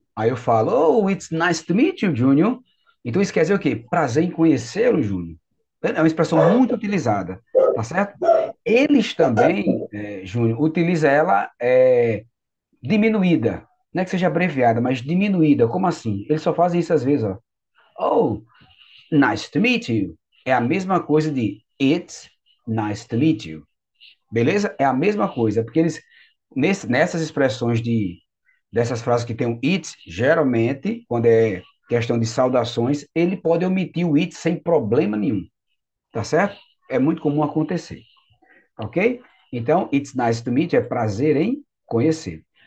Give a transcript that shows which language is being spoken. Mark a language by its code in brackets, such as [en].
[pt] Aí eu falo, [en] oh, it's nice to meet you, Junior. [pt] Então isso quer dizer o quê? Prazer em conhecê-lo, Júnior. É uma expressão muito utilizada, tá certo? Eles também, Júnior, utilizam ela diminuída. Não é que seja abreviada, mas diminuída. Como assim? Eles só fazem isso às vezes, ó. [en] Oh, nice to meet you. [pt] É a mesma coisa de [en] it's nice to meet you. [pt] Beleza? É a mesma coisa, porque eles nessas expressões dessas frases que tem um it, geralmente, quando é questão de saudações, ele pode omitir o it sem problema nenhum. Tá certo? É muito comum acontecer. Ok? Então, [en] it's nice to meet you [pt] é prazer em conhecer.